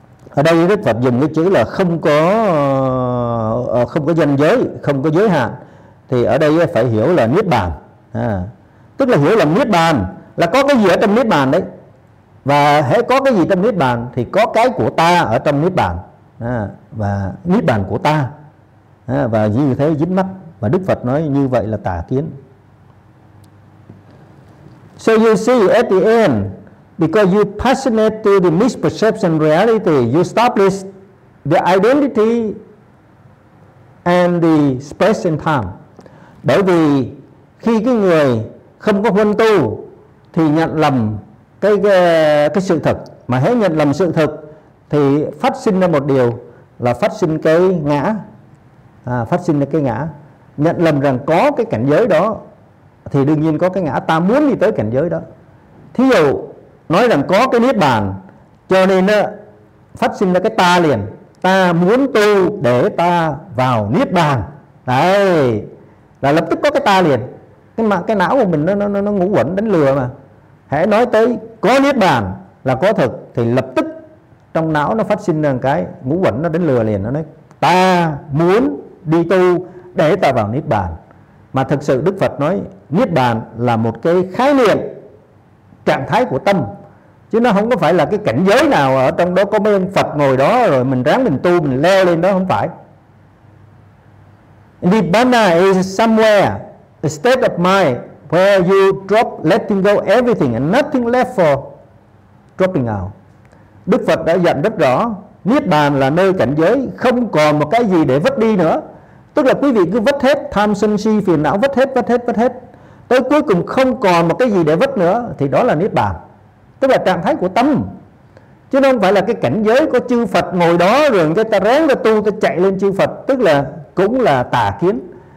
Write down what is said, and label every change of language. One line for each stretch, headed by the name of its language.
Vietnamese: Ở đây Đức Phật dùng cái chữ là không có danh giới, không có giới hạn, thì ở đây phải hiểu là niết bàn, tức là hiểu là niết bàn là có cái gì ở trong niết bàn đấy, và hễ có cái gì trong niết bàn thì có cái của ta ở trong niết bàn, và niết bàn của ta, và như thế dính mắc. Và Đức Phật nói như vậy là tà kiến.
English: So you see at the end, because you passionate to the misperception reality, you establish the identity and the space and time.
Vietnamese: Bởi vì khi cái người không có huân tu thì nhận lầm cái sự thật, mà hễ nhận lầm sự thật thì phát sinh ra một điều là phát sinh cái ngã, phát sinh ra cái ngã, nhận lầm rằng có cái cảnh giới đó thì đương nhiên có cái ngã, ta muốn đi tới cảnh giới đó. Thí dụ nói rằng có cái niết bàn, cho nên phát sinh ra cái ta liền, ta muốn tu để ta vào niết bàn đấy, là lập tức có cái ta liền. Cái mà cái não của mình nó ngủ quẩn đánh lừa, mà hễ nói tới có niết bàn là có thực thì lập tức trong não nó phát sinh ra cái ngủ quẩn, nó đánh lừa liền, nó nói ta muốn đi tu để ta vào niết bàn. Mà thực sự Đức Phật nói niết bàn là một cái khái niệm, trạng thái của tâm, chứ nó không có phải là cái cảnh giới nào ở trong đó có mấy ông Phật ngồi đó rồi mình ráng mình tu mình leo lên đó, không phải.
English: Nibbana is somewhere, a state of mind where you drop letting go everything and nothing left for dropping out.
Vietnamese: Đức Phật đã dặn rất rõ, niết bàn là nơi cảnh giới không còn một cái gì để vứt đi nữa. Tức là quý vị cứ vứt hết tham sân si phiền não, vứt hết, tới cuối cùng không còn một cái gì để vứt nữa thì đó là niết bàn, tức là trạng thái của tâm, chứ không phải là cái cảnh giới có chư Phật ngồi đó rồi người ta ráng ra tu, ta chạy lên chư Phật, tức là cũng là tà kiến.